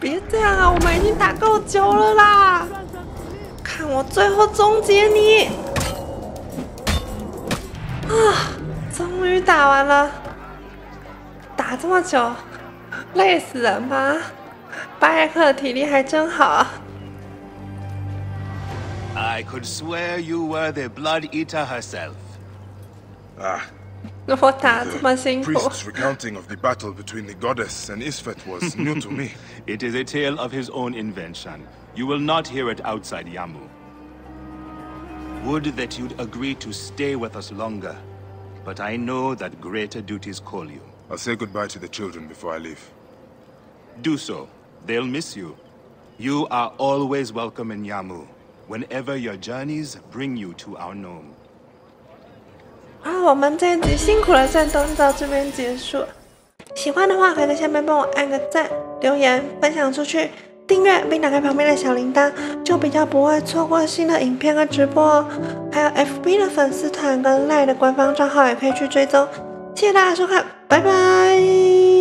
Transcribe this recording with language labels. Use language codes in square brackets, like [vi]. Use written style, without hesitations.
[zh] 别这样啊，我们已经打够久了啦。看我最后终结你！啊，终于打完了，打这么久，累死人吧？巴耶克的体力还真好。 [en] I could swear you were the blood eater herself. [zh] Ah. 那我打这么辛苦。 [en] The priest's recounting of the battle between the goddess and Isfet was new to me. It is a tale of his own invention. You will not hear it outside Yamu. Would that you'd agree to stay with us longer, but I know that greater duties call you. I'll say goodbye to the children before I leave. Do so. They'll miss you. You are always welcome in Yamu, whenever your journeys bring you to our gnome. [zh] 啊，我们这一集辛苦了，战斗就到这边结束。喜欢的话，可以在下面帮我按个赞、留言、分享出去。订阅并打开旁边的小铃铛，就比较不会错过新的影片和直播哦。还有 FB 的粉丝团跟 LINE 的官方账号也可以去追踪。谢谢大家收看，拜拜。